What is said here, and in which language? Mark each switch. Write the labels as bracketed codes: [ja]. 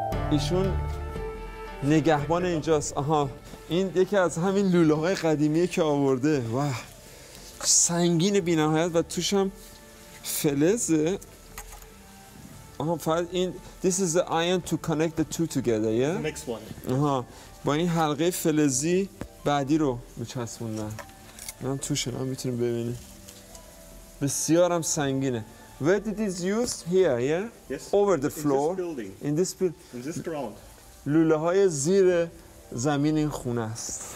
[fa] ایشون نگهبان اینجاست. آها، این یکی از همین لوله‌های قدیمیه که آورده. واه، سنگین بی‌نهایت و توش هم فلزه. فقط این [en] this is the iron to connect the two together, yeah? The next one. [fa] آها با این حلقه فلزی بعدی رو می‌چسبوندن. من توش الان می‌تونم ببینم. بسیارم سنگینه. [en] Where did it used? Here, yeah? Yes. Over the floor. In this building. In this ground. [fa] لوله‌های زیر زمین این خونه است.